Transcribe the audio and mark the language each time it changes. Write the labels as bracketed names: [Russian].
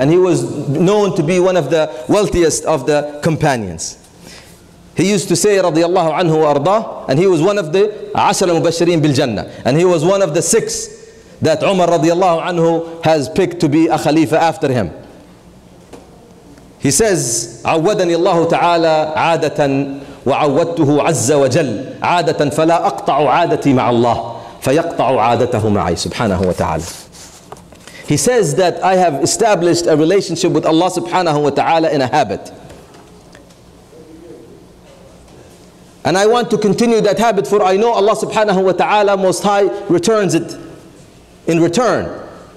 [English] And he was known to be one of the wealthiest of the companions. He used to say, [Arabic] رضي الله عنه وأرضاه, [English] and he was one of the [Arabic] عشر المبشرين بالجنة. [English] And he was one of the six that Umar [Arabic] رضي الله عنه [English] has picked to be a Khalifa after him. He says, [Arabic] عودني الله تعالى عادة وعودته عز وجل عادة فلا أقطع عادتي مع الله فيقطع عادته معي سبحانه وتعالى. [English] He says that I have established a relationship with Allah subhanahu wa ta'ala in a habit. And I want to continue that habit, for I know Allah subhanahu wa ta'ala most high returns it in return.